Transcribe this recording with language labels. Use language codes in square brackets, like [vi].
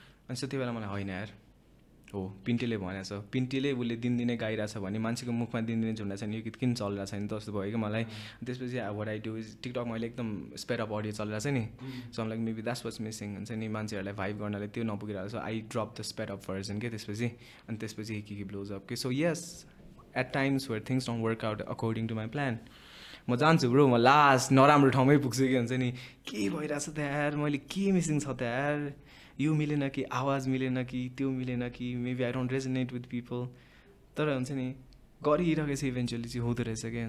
[ne] अनि सो त्यो बेला मलाई होइन यार, हो पिन्टेले भनेछ, पिन्टेले उसले दिनदिनै गाइरहेछ भने मान्छेको मुखमा दिनदिनै झुन्डा छैन, यो गीत किन चलिरहेको छैन जस्तो भयो कि मलाई. त्यसपछि [en] what I do is TikTok [ne] मैले एकदम स्पेयर अप अडियो चलिरहेछ नि, [en] so like maybe that's was missing [ne] हुन्छ नि मान्छेहरूलाई भाइभ गर्नलाई त्यो नपुगिरहेको छ. [en] I drop the sped up version के त्यसपछि, [ne] अनि त्यसपछि [en] हिक्की blows up के. So yes, at times where things don't work out according to my plan [ne] म जान्छु ब्रो, म लास्ट नराम्रो ठाउँमै पुग्छु कि हुन्छ नि. के भइरहेछ त यार, मैले के मिसिङ छ त यार, यो मिलेन कि आवाज मिलेन कि त्यो मिलेन कि [en] maybe I don't resonate with people, [ne] तर हुन्छ नि गरिरहेको छ इभेन्चुली चाहिँ हुँदो रहेछ क्या.